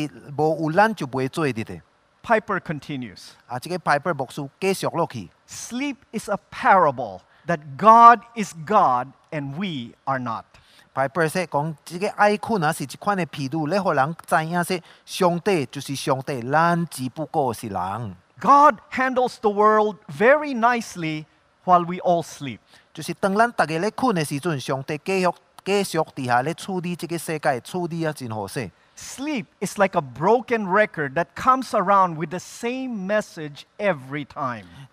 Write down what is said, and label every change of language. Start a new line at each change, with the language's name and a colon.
Min Nan Chinese: 这个病是什么啊？这个病就是说，讲咱有一款的倾向啊，说以为说咱是通控制一切，以为说讲咱是袂，咱是无有咱就袂做的。
English: Piper continues.
Min Nan Chinese: 啊，这个Piper牧师继续落去。
English: Sleep is a parable that God is God and we are not.
Min Nan Chinese: Piper 说，讲这个爱困啊是一款的譬喻，来让人知影说，上帝就是上帝，咱只不过是人。
English: God handles the world very nicely while we all sleep.
Min Nan Chinese: 就是当咱大家咧困的时阵，上帝继续底下咧处理这个世界，处理啊真好势。
English: Sleep is like a broken record that comes around with the same message every time.